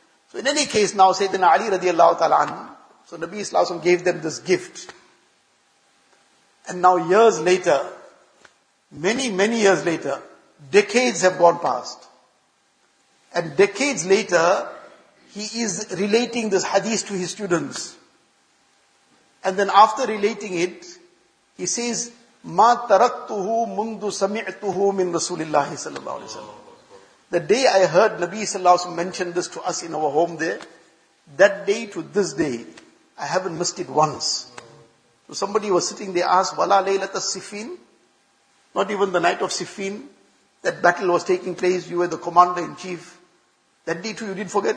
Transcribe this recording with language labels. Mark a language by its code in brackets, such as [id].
[en] So in any case now, Sayyidina Ali radiallahu ta'ala an, so Nabi sallallahu alayhi wa sallam gave them this gift. And now years later, many, many years later, decades have gone past. And decades later, he is relating this hadith to his students. And then after relating it, he says, [ar] مَا تَرَكْتُهُ مُنْدُ سَمِعْتُهُ مِنْ رَسُولِ اللَّهِ صَلَى اللَّهُ عَلَيْهِ وَسَلَّمُ. [en] The day I heard Nabi sallallahu alayhi wa sallam mention this to us in our home there, that day to this day, I haven't missed it once. So somebody was sitting there, asked, [ar] وَلَا لَيْلَةَ السِّفِينَ. [en] Not even the night of Siffin, that battle was taking place, you were the commander-in-chief. That day too, you didn't forget?